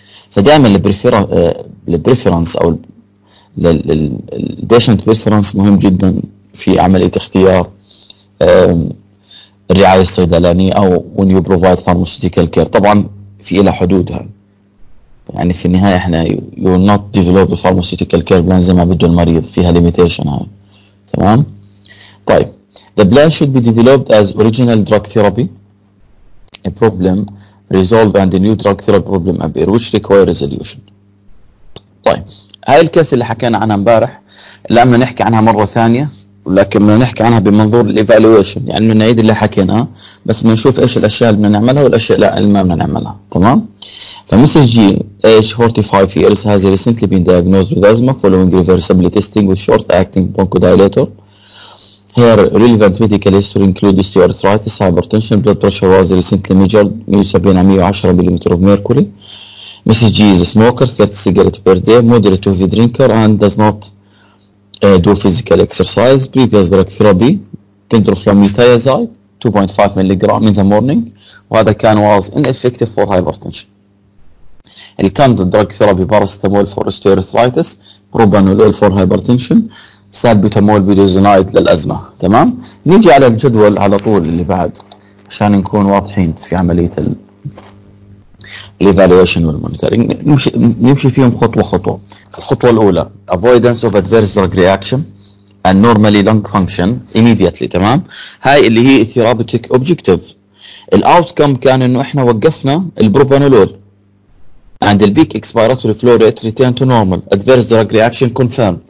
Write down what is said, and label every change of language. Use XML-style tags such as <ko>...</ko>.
<ar>فدائما البريفرنس او البيشنت بريفرنس مهم جدا في عملية اختيار الرعاية الصيدلانية أو</ar> <en>when you provide pharmaceutical care.</en> <ar>طبعا في إلى حدودها، يعني في النهاية احنا</ar> <en>you will not develop the pharmaceutical care plan</en> <ar>زي ما بده المريض، فيها limitation هاي، تمام.</ar> <en>طيب the plan should be developed as original drug therapy a problem resolved and a new drug therapy problem appear which require resolution.</en> <ar>طيب هاي الكيس اللي حكينا عنها مبارح اللي عمنا نحكي عنها مرة ثانية، ولكن بدنا نحكي عنها بمنظور الايفالويشن، يعني بنعيد اللي حكيناه بس بنشوف ايش الاشياء اللي بدنا نعملها والاشياء اللي ما بدنا نعملها، تمام.</ar> <en>فمسز G age 45 years has recently been diagnosed with asthma following reversible testing with short acting bronchodilator. Her relevant medical history includes osteoarthritis, hypertension, blood pressure was recently measured 170 110 mm of mercury. Mrs. G is a smoker, 30 cigarettes per day, moderate heavy drinker and does not do physical exercise. Previous drug therapy, pendroflumethiazide, 2.5 milligram in the morning.</en> <ar>وهذا كان</ar> <en>was ineffective for hypertension. The kind of drug therapy, paracetamol for osteoarthritis, propranolol for hypertension, salbutamol budesonide للأزمة.</en> <ar>تمام؟ نيجي على الجدول على طول اللي بعد عشان نكون واضحين في عملية الإيفالويشن والمونيتورينج. نمشي فيهم خطوة خطوة. الخطوة الأولى</ar> <en>avoidance of adverse drug reaction and normally lung function immediately، تمام.</en> <ar>هاي اللي هي therapeutic objective. الأوتكم كان إنه إحنا وقفنا البروبانولول عند البيك</ar> <en>expiratory flow rate return to normal adverse drug reaction confirmed،</en>